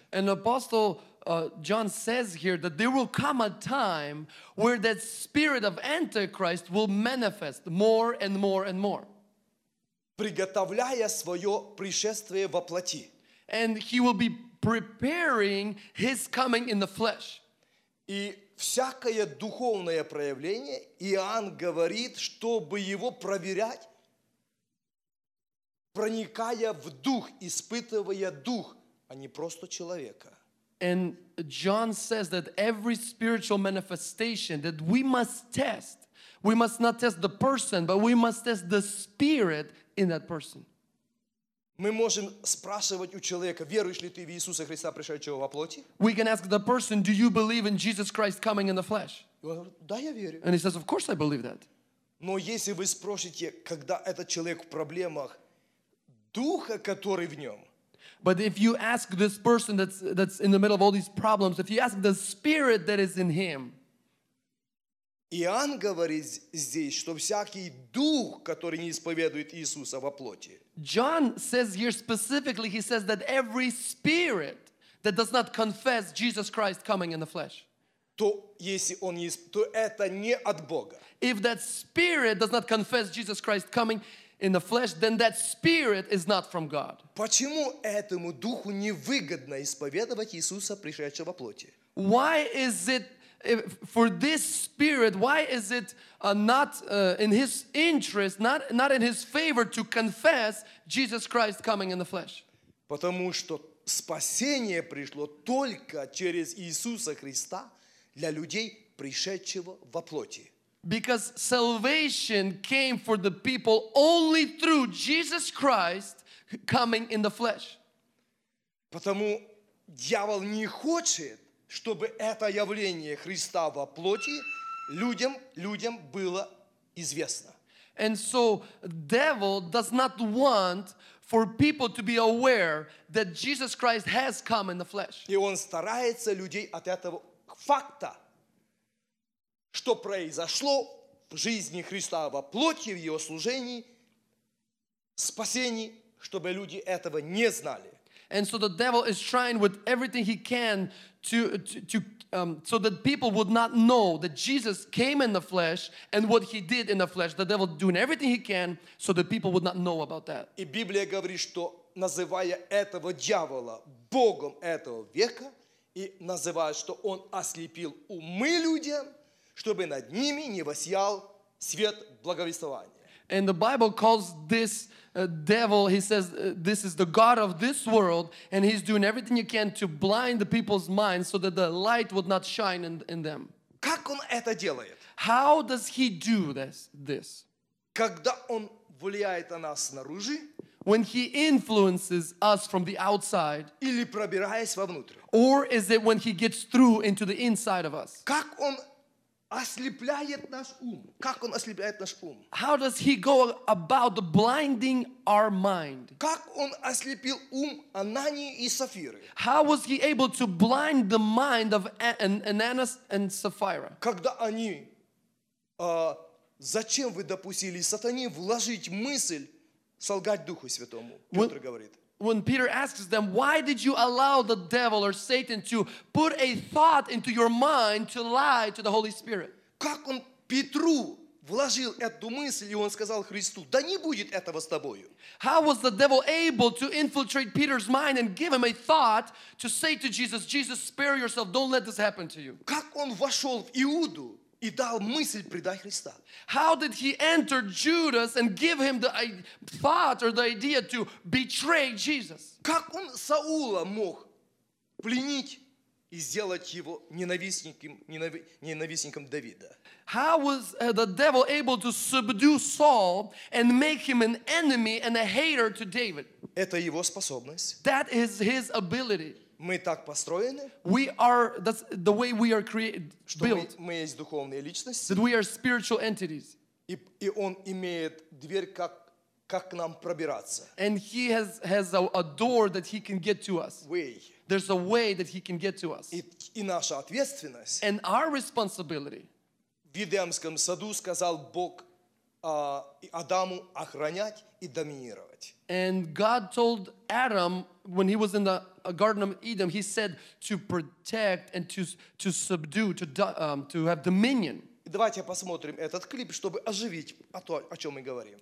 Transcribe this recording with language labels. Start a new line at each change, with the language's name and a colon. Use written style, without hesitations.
English: And apostle John says here that there will come a time where that spirit of Antichrist will manifest more and more and more.
Russian: Приготовляя свое пришествие во плоти.
English: And he will be preparing his coming in the flesh.
Russian: И всякое духовное проявление, Иоанн говорит, чтобы его проверять, проникая в дух, испытывая дух, а не просто человека.
English: And John says that every spiritual manifestation that we must test, we must not test the person, but we must test the spirit in that person.
Russian: Мы можем спрашивать у человека, веруешь ли ты в Иисуса Христа, пришедшего во плоти?
English: We can ask the person, do you believe in Jesus Christ coming in the flesh?
Russian: Он говорит, да, я верю.
English: And he says, of course I believe that.
Russian: Но если вы спросите, когда этот человек в проблемах, духа, который в нем,
English: but if you ask this person that's in the middle of all these problems, if you ask the spirit that is in him,
Russian: Иоанн говорит здесь, что всякий дух, который не исповедует Иисуса во плоти.
English: John says here specifically, he says that every spirit that does not confess Jesus Christ coming in the flesh,
Russian: то это не от Бога.
English: If that spirit does not confess Jesus Christ coming in the flesh, then that spirit is not from God.
Russian: Почему этому духу невыгодно исповедовать Иисуса, пришедшего во плоти?
English: Why is it for this spirit, why is it not in his interest, not in his favor to confess Jesus Christ coming in the flesh?
Russian: Потому что спасение пришло только через Иисуса Христа для людей, пришедшего во плоти.
English: Because salvation came for the people only through Jesus Christ coming in the flesh.
Russian: Потому дьявол не хочет, чтобы это явление Христа во плоти людям было известно.
English: And so devil does not want for people to be aware that Jesus Christ has come in the flesh.
Russian: И он старается людей от этого факта, что произошло в жизни Христа во плоти, в его служении, спасении, чтобы люди этого не знали.
English: And so the devil is trying with everything he can to so that people would not know that Jesus came in the flesh and what he did in the flesh. The devil doing everything he can so that people would not know about that.
Russian: И Библия говорит, что называя этого дьявола богом этого века и называя, что он ослепил умы людям, чтобы над ними не воссиял свет благовествования.
English: And the Bible calls this devil, he says, this is the God of this world, and he's doing everything he can to blind the people's minds so that the light would not shine in them.
Russian: Как он это делает?
English: How does he do this?
Russian: Когда он влияет на нас снаружи,
English: when he influences us from the outside,
Russian: или пробираясь вовнутрь,
English: or is it when he gets through into the inside of us?
Russian: Как он ослепляет наш ум? Как он ослепляет наш ум?
English: How does he go about blinding our mind?
Russian: Как он ослепил ум Ананию и Сапфиры?
English: How was he able to blind the mind of Ananias and Sapphira?
Russian: Когда они, зачем вы допустили сатане вложить мысль солгать Духу Святому? Петр говорит.
English: When Peter asks them, why did you allow the devil or Satan to put a thought into your mind to lie to the Holy Spirit?
Russian: Как он Петру вложил эту мысль, и он сказал Христу, да не будет этого с тобою.
English: How was the devil able to infiltrate Peter's mind and give him a thought to say to Jesus, Jesus, spare yourself, don't let this happen to you?
Russian: Как он вошел в Иуду и дал мысль предать Христа?
English: How did he enter Judas and give him the thought or the idea to betray Jesus?
Russian: Как он Саула мог пленить и сделать его ненавистником Давида?
English: How was the devil able to subdue Saul and make him an enemy and a hater to David?
Russian: Это его способность.
English: That is his ability.
Russian: Мы так построены.
English: We are, that's the way we are created, built.
Russian: Мы есть духовные личности.
English: That we are spiritual entities.
Russian: И он имеет дверь как как к нам пробираться.
English: And he has a door that he can get to us. Way. There's a way that he can get to us.
Russian: И наша ответственность.
English: And our responsibility.
Russian: В Едемском саду сказал Бог Адаму охранять и доминировать.
English: And God told Adam when he was in the Garden of Eden, he said to protect and to subdue, to have dominion.
Russian: Давайте посмотрим этот клип, чтобы оживить о том, о чем мы говорим.